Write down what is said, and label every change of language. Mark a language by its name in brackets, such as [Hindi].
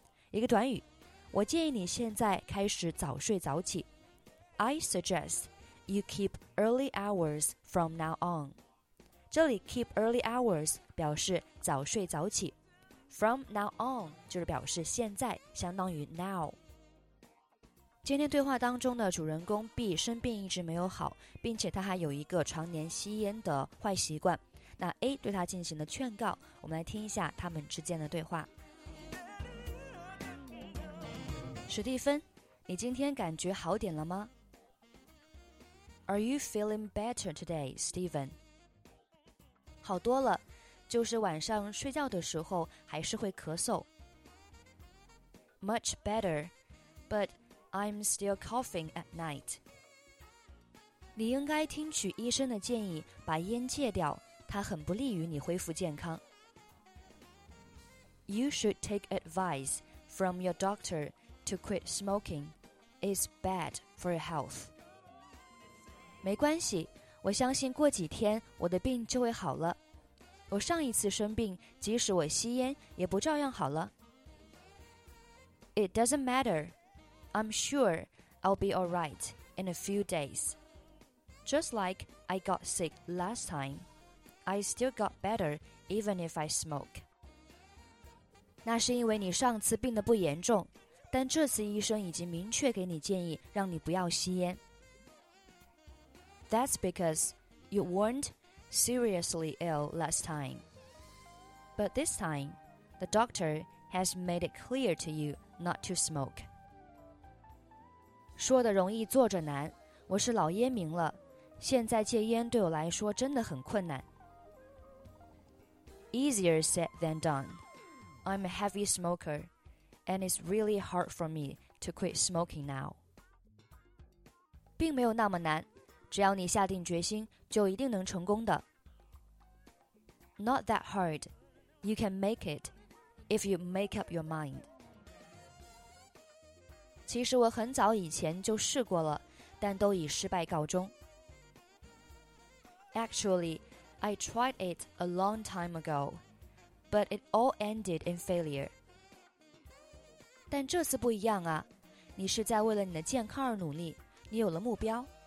[Chinese] 一个短语，我建议你现在开始早睡早起。 [English] I suggest you keep early hours from now on. [Chinese] 这里 [English] keep early hours [Chinese] 表示早睡早起。 [English] From now on [Chinese] 就是表示现在，相当于 now。今天对话当中的主人公 B 生病一直没有好，并且他还有一个常年吸烟的坏习惯。那 A 对他进行了劝告，我们来听一下他们之间的对话。史蒂芬，你今天感觉好点了吗？ [English] Are you feeling better today, Stephen? [Chinese] 好多了，就是晚上睡觉的时候还是会咳嗽。 [English] Much better, but... I'm still coughing at night. [Chinese] 你应该听取医生的建议，把烟戒掉，它很不利于你恢复健康。 [English] You should take advice from your doctor to quit smoking. It's bad for your health. [Chinese] 没关系，我相信过几天我的病就会好了。我上一次生病，即使我吸烟，也不照样好了。 [English] It doesn't matter. I'm sure I'll be all right in a few days. Just like I got sick last time, I still got better even if I smoke. [Chinese] 那是因为你上次病得不严重，但这次医生已经明确给你建议让你不要吸烟。 [English] That's because you weren't seriously ill last time. But this time, the doctor has made it clear to you not to smoke. [Chinese] 说的容易做着难，我是老烟民了，现在戒烟对我来说真的很困难。 [English] Easier said than done. I'm a heavy smoker, and it's really hard for me to quit smoking now. [Chinese] 并没有那么难，只要你下定决心，就一定能成功的。 [English] Not that hard. You can make it if you make up your mind. [Chinese] 其实我很早以前就试过了，但都以失败告终。 [English] Actually, I tried it a long time ago, but it all ended in failure. [Chinese] 但这次不一样啊，你是在为了你的健康而努力，你有了目标。